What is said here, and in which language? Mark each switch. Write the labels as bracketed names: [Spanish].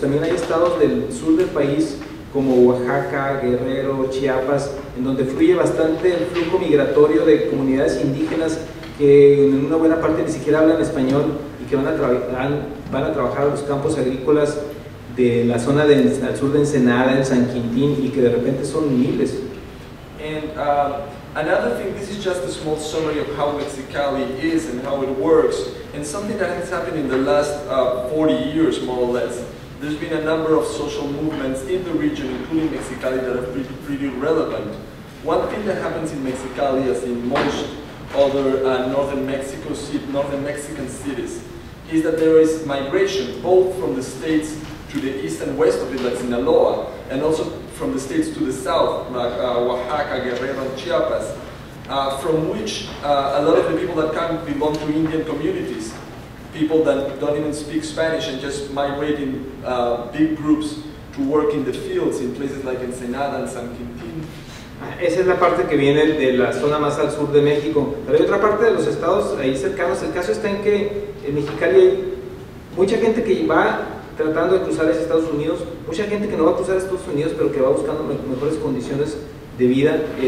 [Spanish] También hay estados del sur del país, como Oaxaca, Guerrero, Chiapas, en donde fluye bastante el flujo migratorio de comunidades indígenas que en una buena parte ni siquiera hablan español y que van a trabajar a los campos agrícolas de la zona del sur de Ensenada, en San Quintín, y que de repente son miles. [English] Another thing, this is just a small summary of how Mexicali is and how it works, and something that has happened in the last 40 years, more or less. There's been a number of social movements in the region, including Mexicali, that are pretty relevant. One thing that happens in Mexicali, as in most other northern Mexican cities is that there is migration both from the states to the east and west of it, like Sinaloa, and also from the states to the south, like Oaxaca, Guerrero, and Chiapas, from which a lot of the people that come belong to Indian communities, people that don't even speak Spanish and just migrate in big groups to work in the fields in places like Ensenada and San Quintín. [Spanish] Esa es la parte que viene de la zona más al sur de México. Pero hay otra parte de los estados ahí cercanos. El caso está en que en Mexicali hay mucha gente que va tratando de cruzar a Estados Unidos, mucha gente que no va a cruzar a Estados Unidos, pero que va buscando mejores condiciones de vida.